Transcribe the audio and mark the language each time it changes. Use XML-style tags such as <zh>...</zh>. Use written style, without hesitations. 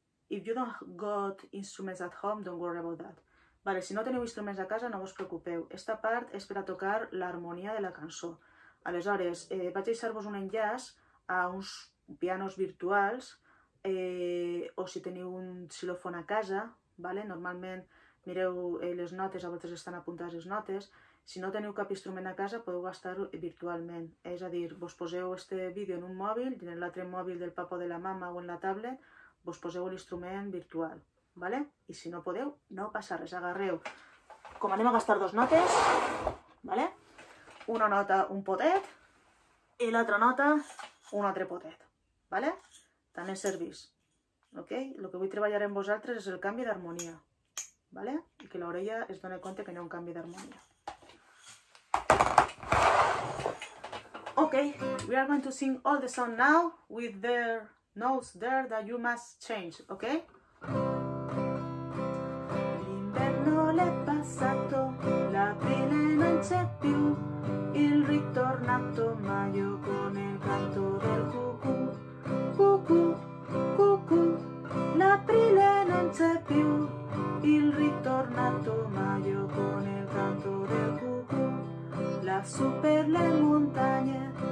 <en>If you don't got instruments at home, don't worry about that.</en> <es>Vale, si no tenéis instrumentos a casa, no os preocupéis. Esta part es para tocar la armonía de la canción.</es> <ca>Aleshores, vaig a deixar-vos un enllaç a uns pianos virtuals, o si teniu un xilòfon a casa, vale? Normalment mireu les notes, a vegades estan apuntades les notes. Si no teniu cap instrument a casa, podeu gastar virtualment. És a dir, vos poseu aquest vídeo en un mòbil, i en l'altre mòbil del papa o de la mama o en la tablet, vos poseu l'instrument virtual, vale? I si no podeu, no passa res, agarreu. Com anem a gastar dos notes, vale? Una nota, un potet, i l'altra nota, un altre potet. ¿Vale? tant en servis. Okay? El que vull treballar en vosaltres és el canvi d'harmonia. Vale? I que l'orella es doni compte que hi ha un canvi d'harmonia.</ca> <en>Okay, we are going to sing all the song now with the notes there that you must change, okay?</en> <it>L'inverno l'è passato, l'aprile non c'è più, il ritornato maio con il canto del cucù, cucù, cucù, l'aprile non c'è più, il ritornato maio con il canto del cucù, lassù per le montagne.</it>